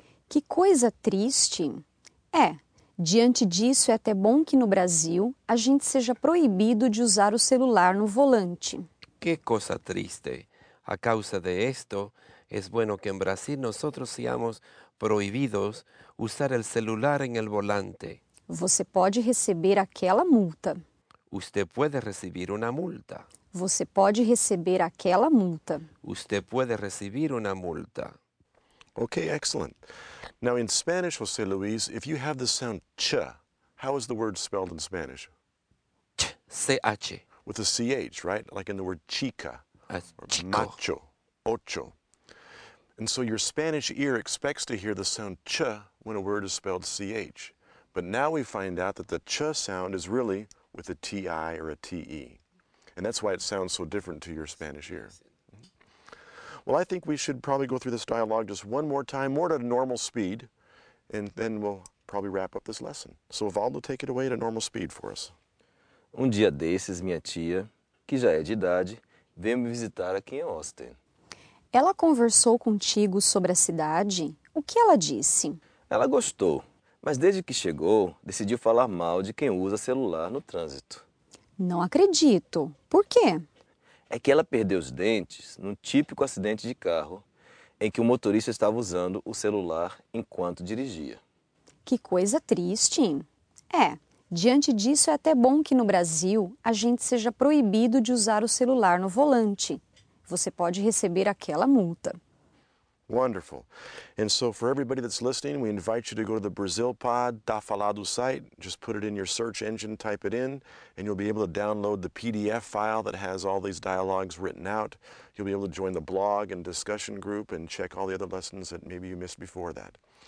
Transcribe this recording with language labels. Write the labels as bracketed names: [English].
[Portuguese] Que coisa triste. É, diante disso é até bom que no Brasil a gente seja proibido de usar o celular no volante. Que coisa triste. [Spanish] A causa de esto, es bueno que en Brasil nosotros seamos proibidos usar el celular en el volante. [Portuguese] Você pode receber aquela multa. [Spanish] Usted puede recibir una multa. [Portuguese] Você pode receber aquela multa. [Spanish] Usted puede recibir una multa. [English] Okay, excellent. Now in Spanish, José Luis, if you have the sound ch, how is the word spelled in Spanish? Ch. With a ch, right? Like in the word chica. Chico. Macho. Ocho. And so your Spanish ear expects to hear the sound ch when a word is spelled ch. But now we find out that the ch sound is really with a ti or a te. And that's why it sounds so different to your Spanish ear. Well, I think we should probably go through this dialogue just one more time, more at a normal speed, and then we'll probably wrap up this lesson. So, Valdo, take it away at a normal speed for us. [Portuguese] Um dia desses, minha tia, que já é de idade, veio me visitar aqui em Austin. Ela conversou contigo sobre a cidade? O que ela disse? Ela gostou. Mas desde que chegou, decidiu falar mal de quem usa celular no trânsito. Não acredito. Por quê? É que ela perdeu os dentes num típico acidente de carro em que o motorista estava usando o celular enquanto dirigia. Que coisa triste. É, diante disso é até bom que no Brasil a gente seja proibido de usar o celular no volante. Você pode receber aquela multa. [English] Wonderful. And so for everybody that's listening, we invite you to go to the Brazil Pod Tá Falado site. Just put it in your search engine, type it in, and you'll be able to download the PDF file that has all these dialogues written out. You'll be able to join the blog and discussion group and check all the other lessons that maybe you missed before that.